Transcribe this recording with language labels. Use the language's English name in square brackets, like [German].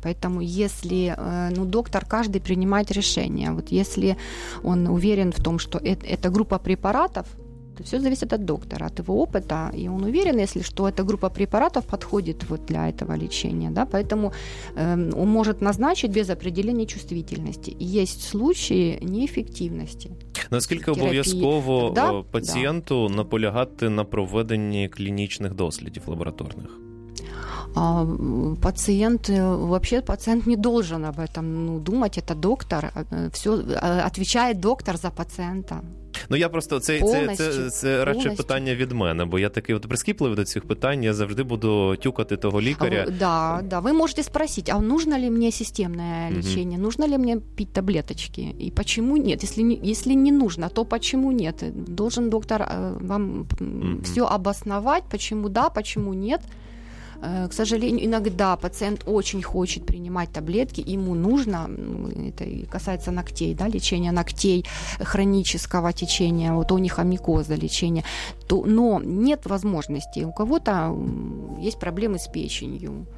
[Russian] Поэтому если доктор каждый принимает решение, вот если он уверен в том, что это группа препаратов, все зависит от доктора, от его опыта, и он уверен, если что, эта группа препаратов подходит вот для этого лечения, да, поэтому он может назначить без определения чувствительности. Есть случаи неэффективности. [Ukrainian] Наскільки обов'язково пацієнту наполягати на проведенні клінічних дослідів лабораторних? [Russian] Пациент не должен об этом думать, это доктор, все отвечает доктор за пацієнта. [Ukrainian] Ну я просто це радше питання від мене, бо я такий от прискіпливий до цих питань, я завжди буду тюкати того лікаря. [Russian] Да, ви можете спросити, а нужно ли мне системное лечение? Нужно ли мне пить таблеточки? И почему нет? Если не нужно, то почему нет? Должен доктор вам все обосновать, почему да, почему нет. К сожалению, иногда пациент очень хочет принимать таблетки, ему нужно, это касается ногтей, да, лечения ногтей, хронического течения, вот онихомикоза лечения, но нет возможности, у кого-то есть проблемы с печенью,